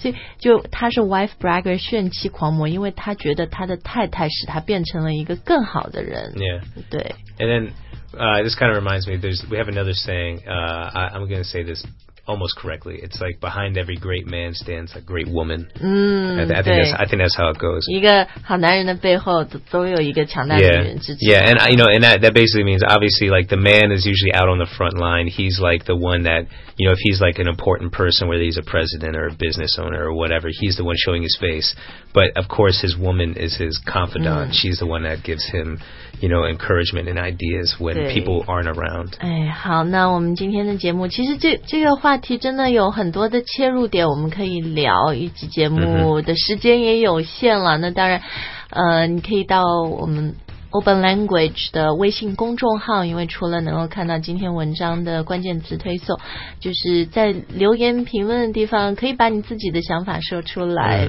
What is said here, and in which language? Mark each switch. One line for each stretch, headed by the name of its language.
Chinese: 所以就他是
English: wife bragger
Chinese: 炫妻狂魔因为他觉得他的太太使他变成了一个更好的人、
English: yeah.
Chinese: 对
English: And then、this kind of reminds me we have another saying、I'm going to say thisalmost correctly it's like behind every great man stands a great woman、I think that's how it goes
Chinese: 一个好男人的背后总有一个强大的女人支持
English: yeah and you know and that basically means obviously like the man is usually out on the front line he's like the one that you know if he's like an important person whether he's a president or a business owner or whatever he's the one showing his face but of course his woman is his confidant、mm. she's the one that gives him you know encouragement and ideas when people aren't around
Chinese: 哎好那我们今天的节目其实这个话题真的有很多的切入点我们可以聊一集节目的时间也有限了那当然你可以到我们 Open Language 的微信公众号因为除了能够看到今天文章的关键词推送就是在留言评论的地方可以把你自己的想法说出来、